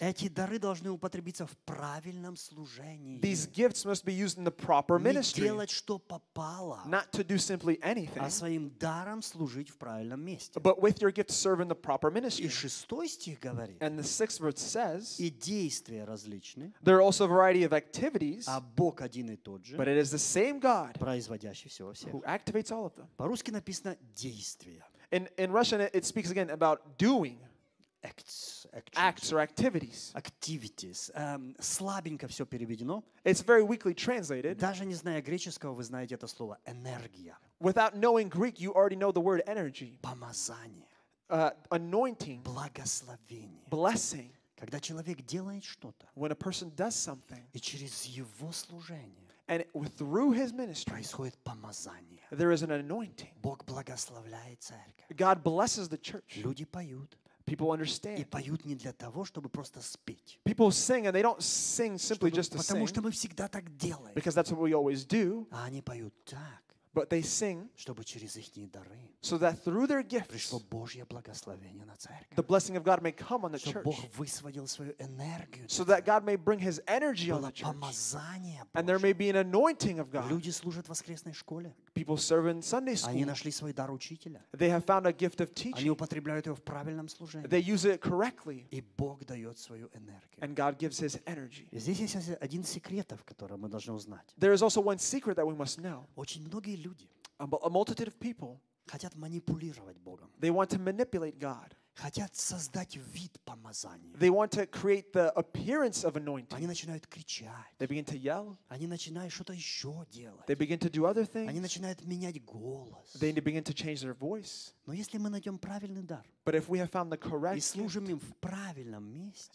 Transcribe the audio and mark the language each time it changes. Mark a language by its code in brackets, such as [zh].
[ru] эти дары должны употребиться в правильном служении. [en] These gifts must be used in the proper ministry. [ru] Не делать, что попало. [en] Not to do simply anything. [ru] А своим даром служить в правильном месте. [en] But with your gift, serve in the proper ministry. [ru] И шестой стих говорит. [en] And the sixth verse says. [ru] И действия различны. [en] There are also a variety of activities. [ru] А Бог один и тот же. [en] But it is the same God. [ru] Производящий все во всех. [en] Who activates all of them. [ru] По-русски написано действия. [en] In Russian, it speaks again about doing acts or activities. Activities. [ru] Слабенько все переведено. [en] It's very weakly translated. [ru] Даже не зная греческого, вы знаете это слово энергия. [en] Without knowing Greek, you already know the word energy. [ru] Помазание. [en] Anointing. [ru] Благословение. [en] Blessing. [ru] Когда человек делает что-то. [en] When a person does something. [ru] И через его служение. [en] And through his ministry, [ru] происходит помазание. [en] There is an anointing. [ru] Бог благословляет церковь. [en] God blesses the church. [ru] Люди поют. [en] People understand. [ru] И поют не для того, чтобы просто спеть. [en] People sing and they don't sing simply just to sing. [ru] Потому что мы всегда так делаем. [en] Because that's what we always do. [ru] А они поют так. [en] But they sing. [ru] Чтобы через ихние дары. [en] So that through their gifts. [ru] Пришло Божье благословение на церковь. [en] The blessing of God may come on the church. [ru] Бог высвободил свою энергию. [en] So that God may bring His energy on the church. [ru] Было помазание Божье. [en] And there may be an anointing of God. [ru] Люди служат в воскресной школе. [en] People serve in Sunday school. [ru] Они нашли свой дар учителя. [en] They have found a gift of teaching. [ru] Они употребляют его в правильном служении. [en] They use it correctly. [ru] И Бог дает свою энергию. [en] And God gives His energy. [ru] И здесь есть один секрет, который мы должны узнать. [en] There is also one secret that we must know. [ru] Очень многие люди. [en] A multitude of people [ru] хотят манипулировать Богом. [en] They want to manipulate God. [ru] хотят создать вид помазания. [en] They want to create the appearance of anointing. [ru] Они начинают кричать. [en] They begin to yell. [ru] Они начинают что-то еще делать. [en] They begin to do other things. [ru] Они начинают менять голос. [en] They begin to change their voice. [ru] Но если мы найдем правильный дар, [en] but if we have found the correct [ru] gift, и служим им в правильном месте,